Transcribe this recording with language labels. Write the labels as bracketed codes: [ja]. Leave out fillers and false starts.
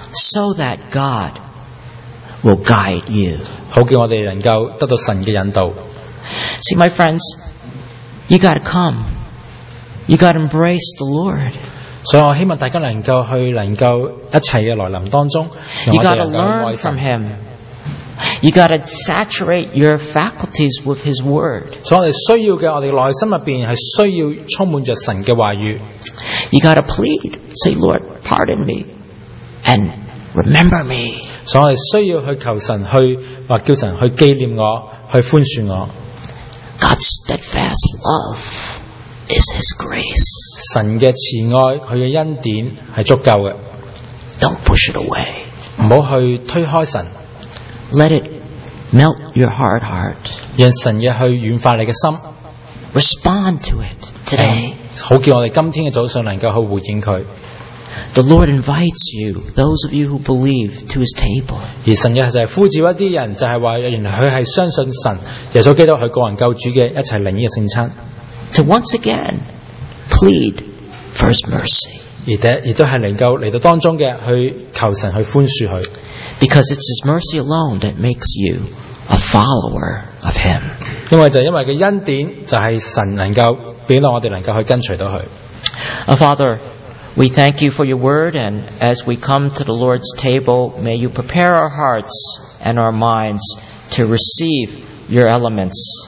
[en] So that God will guide you. [zh] 好叫我们能够得到神的引导。 [en] See, my friends, you got to come. You got to embrace the Lord. [zh] 所以我希望大家能够一起来临当中。 [en] You gotta learn from him. You gotta saturate your faculties with his word. [zh] 所以我们需要的，我们内心里面是需要充满着神的话语。 [en] You gotta plead, say, Lord, pardon me and remember me. [zh] 所以我们需要去求神，叫神去纪念我，去宽恕我。 [en] God's steadfast love is his grace. [zh] 神的慈爱，祂的恩典是足够的。 [en] Don't push it away. [zh] 不要去推开神。 [en] Let it melt your hard heart. [zh] 让神去软化你的心。 [en] Respond to it today. [zh] 好叫我们今天的早上能够去回应祂。 [en] The Lord invites you, those of you who believe, to his table. [zh] 而神就是呼召一些人，就是说原来他是相信神，耶稣基督他个人救主的，一起领这个圣餐。 [en] To once again plead for his mercy. [zh] 也都是能够来到当中的，去求神去宽恕他。 [en] Because it's his mercy alone that makes you a follower of him. [zh] 因为就是因为他恩典，就是神能够，让我们能够去跟随到他。 [en] Father, we thank you for your word, and as we come to the Lord's table, may you prepare our hearts and our minds to receive your elements.